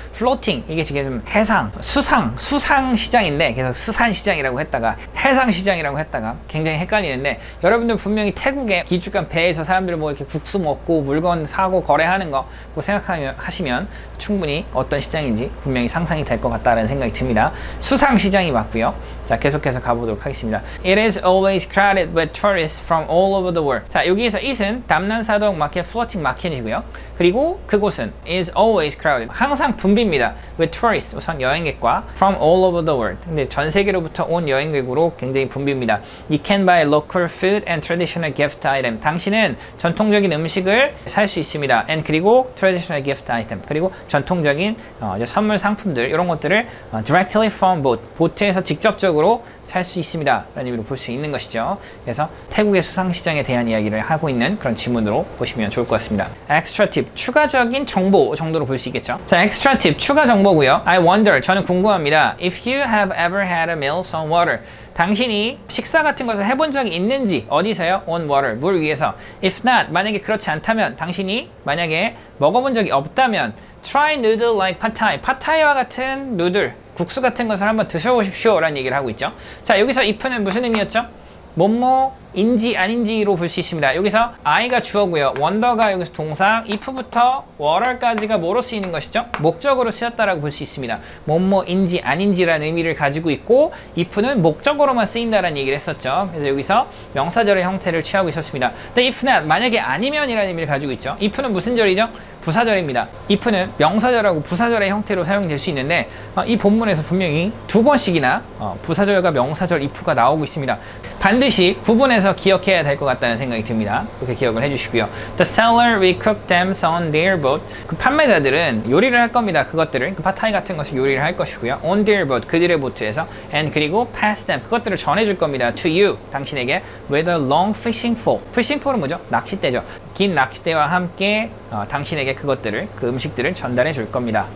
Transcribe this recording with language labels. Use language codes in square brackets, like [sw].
[ko] floating, 이게 지금 해상, 수상시장인데 계속 수산시장이라고 했다가 해상시장이라고 했다가 굉장히 헷갈리는데, 여러분들 분명히 태국에 기축간 배에서 사람들이 뭐 이렇게 국수 먹고 물건 사고 거래하는 거 꼭 생각하시면 충분히 어떤 시장인지 분명히 상상이 될 것 같다라는 생각이 듭니다. 수상시장이 맞고요. 자, 계속해서 가보도록 하겠습니다. [en] It is always crowded with tourists from all over the world. [ko] 자, 여기에서 it은 담난사동 마켓 플로팅 마켓이고요. 그리고 그곳은 is always crowded. 항상 붐빕니다. [en] With tourists, [ko] 우선 여행객과 [en] from all over the world. [ko] 근데 전 세계로부터 온 여행객으로 굉장히 붐빕니다. [en] You can buy local food and traditional gift item. [ko] 당신은 전통적인 음식을 살 수 있습니다. And 그리고 [en] traditional gift item. [ko] 그리고 전통적인 선물 상품들 이런 것들을 [en] directly from boat. [ko] 보트에서 직접적으로 살 수 있습니다. 라는 의미로 볼 수 있는 것이죠. 그래서 태국의 수상시장에 대한 이야기를 하고 있는 그런 질문으로 보시면 좋을 것 같습니다. Extra tip, 추가적인 정보 정도로 볼 수 있겠죠. 자, extra tip, 추가 정보고요. [en] I wonder, [ko] 저는 궁금합니다. [en] If you have ever had a meal, some water. [ko] 당신이 식사 같은 것을 해본 적이 있는지, 어디서요? [en] On water, [ko] 물 위에서. [en] If not, [ko] 만약에 그렇지 않다면, 당신이 만약에 먹어본 적이 없다면, [en] try noodle like pad thai. [ko] 팟타이와 같은 누들, 국수 같은 것을 한번 드셔보십시오 라는 얘기를 하고 있죠. 자, 여기서 if는 무슨 의미였죠? 뭐뭐인지 아닌지로 볼 수 있습니다. 여기서 I가 주어고요. wonder가 여기서 동사, if부터 water까지가 뭐로 쓰이는 것이죠? 목적으로 쓰였다라고 볼 수 있습니다. 뭐뭐인지 아닌지라는 의미를 가지고 있고 if는 목적으로만 쓰인다라는 얘기를 했었죠. 그래서 여기서 명사절의 형태를 취하고 있었습니다. 근데 if not, 만약에 아니면이라는 의미를 가지고 있죠. if는 무슨 절이죠? 부사절입니다. if는 명사절하고 부사절의 형태로 사용될 수 있는데 이 본문에서 분명히 두 번씩이나 부사절과 명사절 if가 나오고 있습니다. 반드시 구분해서 기억해야 될 것 같다는 생각이 듭니다. 그렇게 기억을 해주시고요. [en] The seller will cook them on their boat. [ko] 그 판매자들은 요리를 할 겁니다. 그것들을, 그 팟타이 같은 것을 요리를 할 것이고요. [en] On their boat, [ko] 그들의 보트에서. And 그리고 [en] pass them, [ko] 그것들을 전해줄 겁니다. [en] To you, [ko] 당신에게. [en] With a long fishing pole. Fishing pole은 뭐죠? [ko] 낚싯대죠. 긴 낚싯대와 함께 당신에게 그것들을, 그 음식들을 전달해 줄 겁니다.